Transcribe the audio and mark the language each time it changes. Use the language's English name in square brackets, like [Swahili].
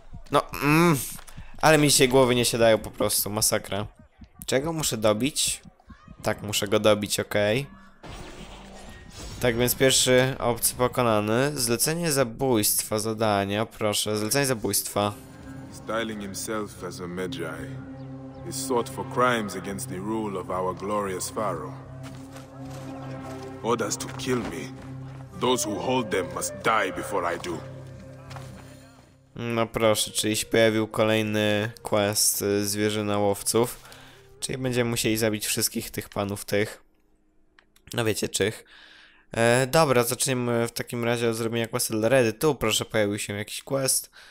[Polish] No, ale mi się głowy nie siadają po prostu, masakra. Czego muszę dobić? Tak, muszę go dobić, okej. Tak więc pierwszy obcy pokonany. Zlecenie zabójstwa, zadanie, proszę, zlecenie zabójstwa. [English] Styling himself as a Magi, he sought for crimes against the rule of our glorious pharaoh. Orders to kill me. Those who hold them must die before I do. [Polish] No proszę, czyli się pojawił kolejny quest zwierzyna łowców. Czyli będziemy musieli zabić wszystkich tych panów tych. No wiecie, czych. Dobra, zaczniemy w takim razie od zrobienia questu dla Redy. Tu proszę, pojawił się jakiś quest.